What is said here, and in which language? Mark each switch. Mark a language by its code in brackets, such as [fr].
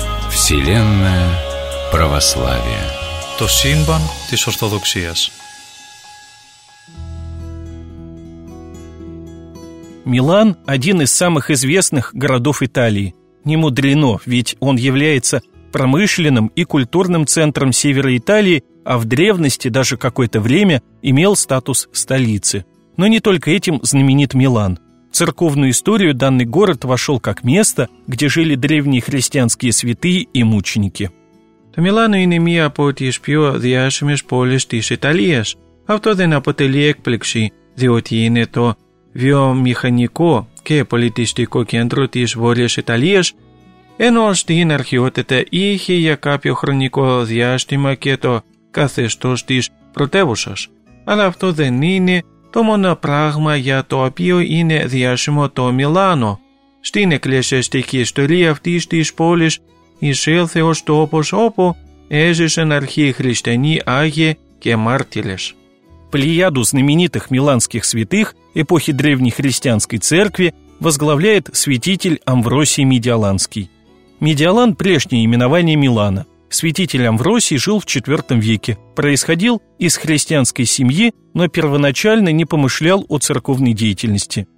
[ru] Вселенная православия. [el] Το σύμπαν της Ορθοδοξίας. [ru] Милан – один из самых известных городов Италии. Не мудрено, ведь он является промышленным и культурным центром севера Италии, а в древности даже какое-то время имел статус столицы. Но не только этим знаменит Милан. В церковную историю данный город вошел как место, где жили древние христианские святые и мученики. [el] Το Μιλάνο είναι μία από τις πιο διάσημες πόλεις της Ιταλίας. Αυτό δεν αποτελεί έκπληξη, διότι είναι το βιομηχανικό και πολιτιστικό κέντρο της Βόρειας Ιταλίας, ενώ στην αρχαιότητα είχε για κάποιο χρονικό διάστημα και το καθεστώς της πρωτεύουσας. Αλλά αυτό δεν είναι το μόνο πράγμα για το οποίο είναι διάσημο το Μιλάνο. Στην εκκλησιαστική ιστορία αυτής της πόλης εισήλθε ως τόπος όπου έζησαν αρχαίοι χριστιανοί, άγιοι και μάρτυρες. [ru] Плеяду знаменитых миланских святых эпохи древней христианской церкви возглавляет святитель Амвросий Медиоланский. Медиолан – прежнее именование Милана. Святитель Амвросий жил в IV веке, происходил из христианской семьи, но первоначально не помышлял о церковной деятельности.